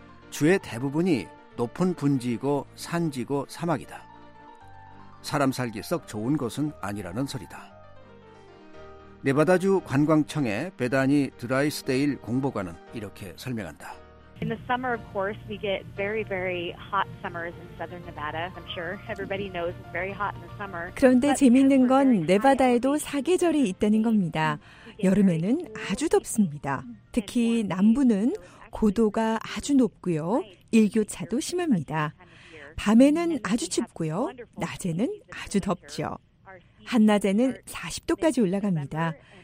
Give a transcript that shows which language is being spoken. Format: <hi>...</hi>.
<ko>주의 대부분이 높은 분지이고 산지고 사막이다. 사람 살기 썩 좋은 곳은 아니라는 소리다. 네바다주 관광청의 베다니 드라이스데일 공보관은 이렇게 설명한다.</ko> <en>In the summer, of course, we get very, very hot summers in southern Nevada. I'm sure everybody knows it's very hot in the summer.</en> <ko>그런데 재밌는 건 네바다에도 사계절이 있다는 겁니다. 여름에는 아주 덥습니다. 특히 남부는 고도가 아주 높고요. 일교차도 심합니다. 밤에는 아주 춥고요. 낮에는 아주 덥죠. 한낮에는 40도까지 올라갑니다.</ko>